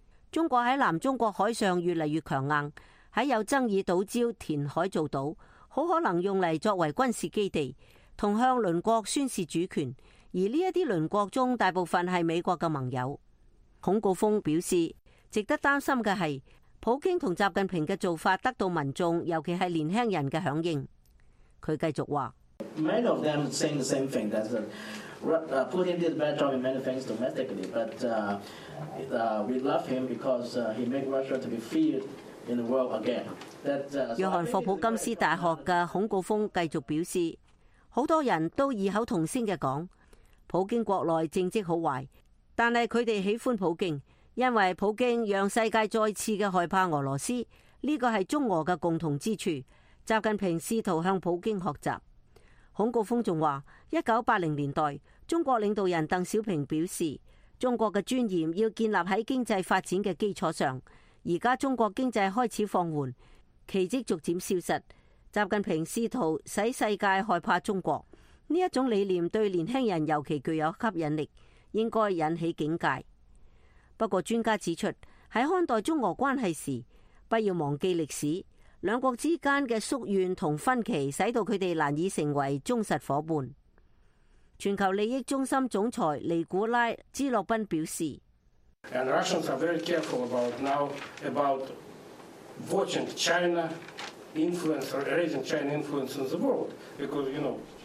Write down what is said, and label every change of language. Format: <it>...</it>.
<zh>中国在南中国海上越来越强硬，在有争议岛礁填海造岛，很可能用来作为军事基地和向邻国宣示主权，而这些邻国中大部分是美国的盟友。孔高峰表示，值得担心的是普京和习近平的做法得到民众，尤其是年轻人的响应。他继续说，</zh> <en>Many of them are saying the same thing, Putin did a bad job in many things domestically, but we love him because he made Russia to be feared in the world again.</en> <zh>约翰霍普金斯大学的孔高峰继续表示，很多人都异口同声地说普京国内政绩很坏，但是他们喜欢普京，因为普京让世界再次的害怕俄罗斯，这个是中俄的共同之处。习近平试图向普京学习。孔高峰还说，1980年代，中国领导人邓小平表示，中国的尊严要建立在经济发展的基础上。现在中国经济开始放缓，奇迹逐渐消失。习近平试图使世界害怕中国，这一种理念对年轻人尤其具有吸引力，应该引起警戒。不过专家指出，在看待中俄关系时，不要忘记历史，两国之间的宿怨和分歧使到他们难以成为忠实伙伴。全球利益中心总裁尼古拉·基洛宾表示，</zh> <en>And Russians are very careful about watching China influence or raising China influence in the world, because you know,</en>